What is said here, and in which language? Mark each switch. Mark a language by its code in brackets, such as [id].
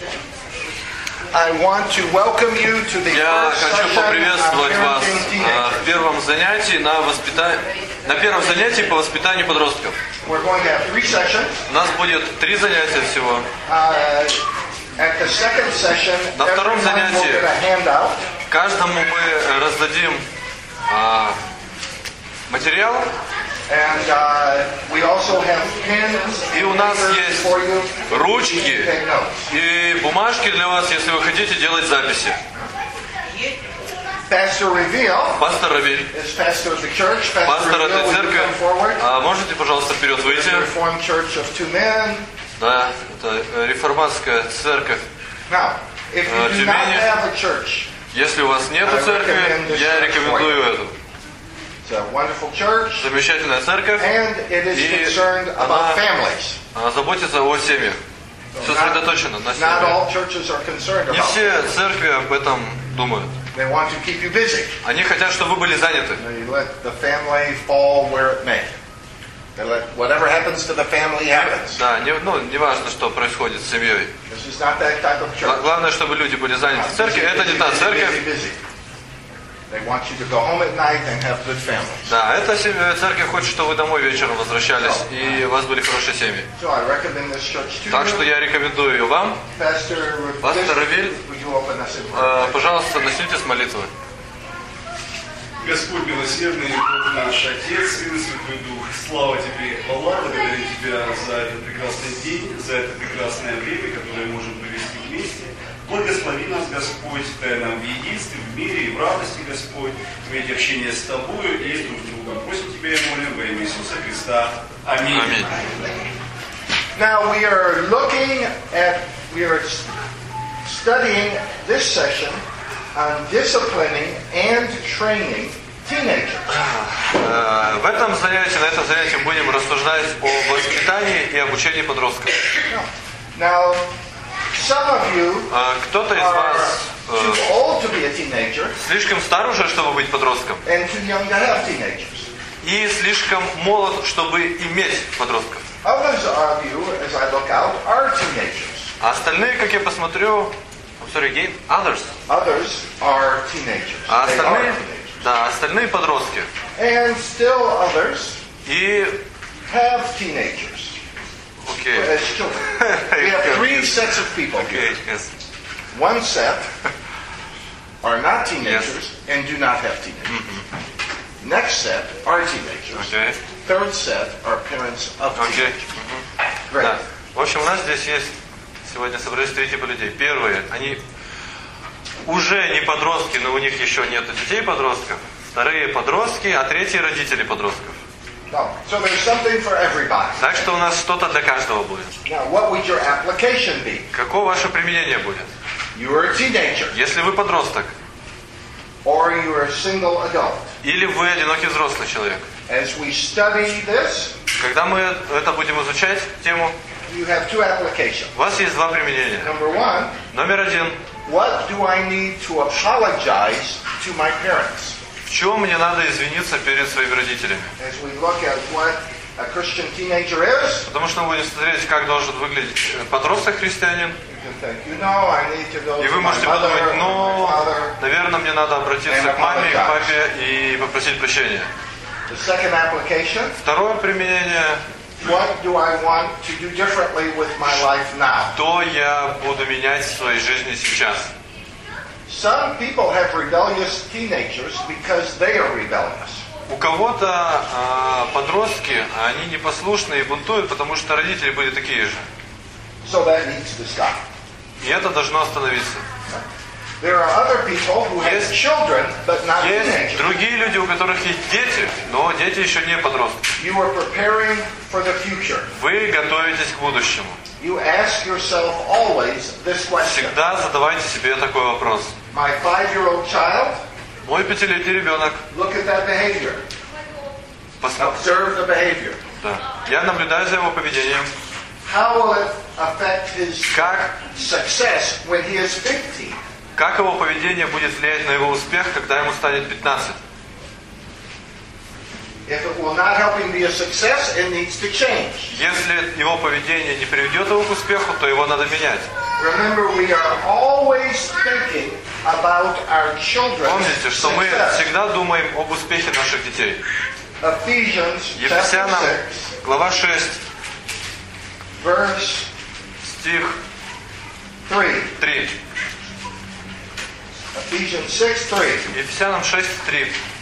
[en] I want to welcome you to the [ru] Я хочу поприветствовать вас в первом занятии на первом занятии по воспитанию подростков. [en] We're going to have three sessions. [ru] У нас будет три занятия всего. [en] At the second session, [ru] на втором занятии каждому мы раздадим материал. [en] And we also have pens. [ru] И у нас есть ручки и бумажки для вас, если вы хотите делать записи. [en] Pastor Reveal. Pastor Reveal. Is pastor of the church. Pastor Reveal, will you come forward? [ru] Можете, пожалуйста, вперед выйти. [en] The Reformed Church of Two Men. [ru] Да, это реформатская церковь. [en] Now, if you do not have a church, [ru] если у вас нету церкви, я рекомендую эту. [en] It's a wonderful church. [ru] Замечательная церковь. [en] And it is concerned about families. [ru] Она заботится о семьях. Сосредоточена на семье. [en] Not all churches are concerned about. [ru] Не все церкви об этом думают. [en] They want to keep you busy. [ru] Они хотят, чтобы вы были заняты. [en] They let the family fall where it may. They let whatever happens to the family happens. [ru] Да, не важно, что происходит с семьей. [en] This is not that type of church. [ru] Главное, чтобы люди были заняты. Церковь это не та церковь. [en] They want you to go home at night and have good families. [ru] Да, эта семья, церковь хочет, чтобы вы домой вечером возвращались и у вас были хорошие семьи. [en] So I recommend this church to you. [ru] Так что я рекомендую ее вам. [en] Pastor [ru] Равиль, пожалуйста, начните с молитвы. Господь милосердный, Бог наш Отец, Сын и Святой Дух, слава Тебе, хвала, благодарю Тебя за этот прекрасный день, за это прекрасное время, которое можем провести вместе. Благослови нас, Господь, дай нам в единстве, в мире и в радости, Господь, иметь общение с Тобою и с друг другом. Просим Тебя и молим во имя Иисуса Христа. Аминь. [en] Now we are looking at, we are studying this session on disciplining and training teenagers. [ru] В этом занятии, на этом занятии будем рассуждать о воспитании и обучении подростков. [en] Now, some of you [ru] кто-то из вас [en] too old to be a teenager, [ru] слишком стар уже, чтобы быть подростком, [en] and too young to have teenagers. [ru] И слишком молод, чтобы иметь подростков. [en] Others of you, as I look out, are teenagers. [ru] А остальные, как я посмотрю, [en] others. Others are teenagers. [ru] А остальные, [en] they are teenagers. [ru] Да, остальные подростки. [en] And still others [ru] и [en] have teenagers. Okay. As children. We have three sets of people. Okay, here. Yes. One set are not teenagers, yes, and do not have teenagers. Mm-hmm. Next set are teenagers. Okay. Third set are parents of teenagers. Okay. Mm-hmm. Great. [ru] Да. В общем, у нас здесь есть. Сегодня собрались три типа людей. Первые, они уже не подростки, но у них еще нет детей подростков. Вторые подростки, а третьи родители подростков. [en] No. So there's something for everybody. [ru] Так что у нас что-то для каждого будет. [en] Now, what would your application be? [ru] Какое ваше применение будет? [en] You're a teenager. [ru] Если вы подросток. [en] Or you're a single adult. [ru] Или вы одинокий взрослый человек. [en] As we study this, [ru] когда мы это будем изучать, тему, [en] you have two applications. [ru] У вас есть два применения. [en] Number one. [ru] Номер один. [en] What do I need to apologize to my parents? [ru] В чем мне надо извиниться перед своими родителями? [en] As we look at what a Christian teenager is. [ru] Потому что мы будем смотреть, как должен выглядеть подросток христианин. [en] You can think, you know, I need to go. [ru] И вы можете подумать, ну, наверное, мне надо обратиться к маме и к папе и попросить прощения. [en] The second application. [ru] Второе применение. [en] What do I want to do differently with my life now? [ru] Что я буду менять в своей жизни сейчас? [en] Some people have rebellious teenagers because they are rebellious. [ru] У кого-то подростки, они непослушные и бунтуют, потому что родители были такие же. [en] So that needs to stop. [ru] И это должно остановиться. [en] There are other people who have children, but not teenagers. [ru] Есть другие люди, у которых есть дети, но дети еще не подростки. [en] You are preparing for the future. [ru] Вы готовитесь к будущему. [en] You ask yourself always this question. [ru] Всегда задавайте себе такой вопрос. [en] My five-year-old child. [ru] Мой пятилетний ребенок. [en] Look at that behavior. Observe the behavior. [ru] Да. Я наблюдаю за его поведением. [en] How will it affect his success when he is 15? [ru] Как его поведение будет влиять на его успех, когда ему станет 15? [en] If it will not help him be a success, it needs to change. [ru] Если его поведение не приведет его к успеху, то его надо менять. [en] Remember, we are always thinking about our children's success. [ru] Помните, что мы всегда думаем об успехе наших детей. [en] Ephesians chapter 6, [ru] глава 6, [en] verse [ru] стих 3. [en] Ephesians 6:3.